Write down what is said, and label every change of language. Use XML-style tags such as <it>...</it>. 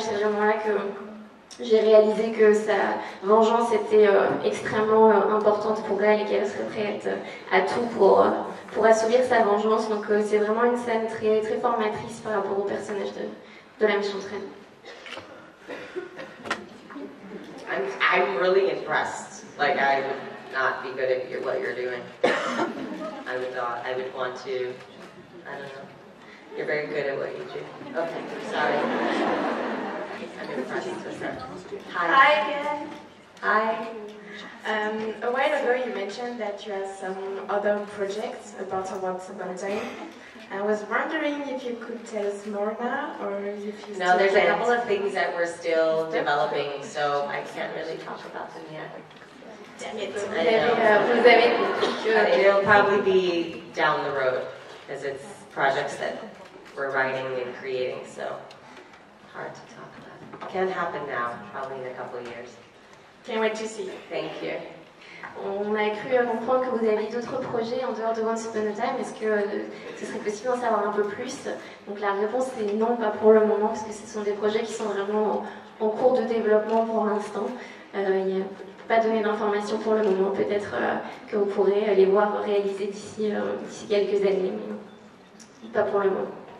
<fr>C'est vraiment là que j'ai réalisé que sa vengeance était extrêmement importante pour elle et qu'elle serait prête à tout pour assouvir sa vengeance. Donc c'est vraiment une scène très, très formatrice par rapport au personnage de la méchante reine.</fr> <en>I'm really impressed. Like, I would not be good at what you're doing. I would want to, I don't know. You're very good at what you do. Okay, sorry. Hi again. Hi. A while ago you mentioned that you have some other projects about Once Upon a Time. I was wondering if you could tell us more now, or if you still can't. No, there's a couple of things that we're still developing, so I can't really talk about them yet. Damn it. I know. It'll probably be down the road, because it's projects that we're writing and creating, so hard to talk about. Can happen now, probably in a couple of years. Can't wait to see you. Thank you.</en> <fr>On a cru comprendre que vous aviez d'autres projets en dehors de Once Upon a Time. Est-ce que ce serait possible d'en savoir un peu plus? Donc la réponse est non, pas pour le moment, parce que ce sont des projets qui sont vraiment en cours de développement pour l'instant. Je ne peux pas donner d'informations pour le moment. Peut-être que vous pourrez les voir réalisés d'ici quelques années, mais pas pour le moment.</fr>